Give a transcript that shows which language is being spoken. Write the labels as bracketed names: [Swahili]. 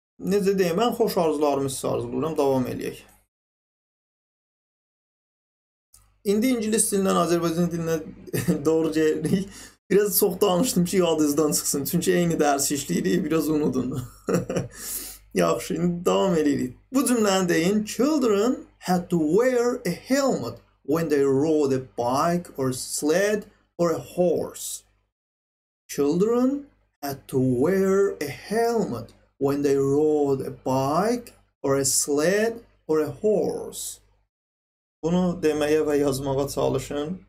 [Azerbaijani] Necə deyim, mən xoş arzularımı sizə arzulayıram, davam eləyək. İndi ingilis dilindən Azərbaycan dilinə doğru gəlirik. Biraz çox danışdım ki, yadınızdan çıxsın. Çünki eyni dərs işləyirik, biraz unudun. Yaxşı, indi davam eləyirik. Bu cümləni deyin. [English] Children had to wear a helmet when they rode a bike or a sled or a horse. Children had to wear a helmet when they rode a bike or a sled or a horse. [Azerbaijani] Bunu deməyə və yazmağa çalışın.